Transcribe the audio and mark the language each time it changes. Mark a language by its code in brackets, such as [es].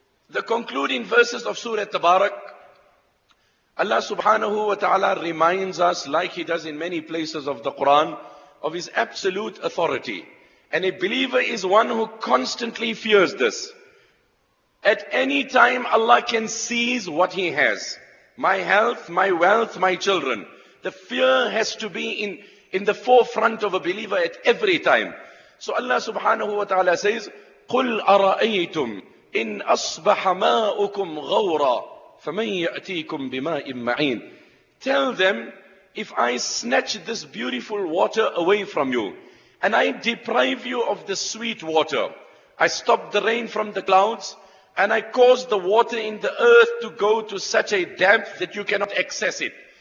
[en] The concluding verses of Surah Tabarak, Allah subhanahu wa ta'ala reminds us, like he does in many places of the Quran, of his absolute authority. And a believer is one who constantly fears this. At any time, Allah can seize what he has. My health, my wealth, my children. The fear has to be in the forefront of a believer at every time. So Allah subhanahu wa ta'ala says, [ar] قُلْ أَرَأَيْتُمْ إِنْ أَصْبَحَ مَاءُكُمْ غَوْرًا فَمَنْ يَأْتِيكُمْ بِمَاءٍ مَعِينٍ. [en] Tell them, if I snatch this beautiful water away from you, and I deprive you of the sweet water, I stop the rain from the clouds, and I cause the water in the earth to go to such a depth that you cannot access it.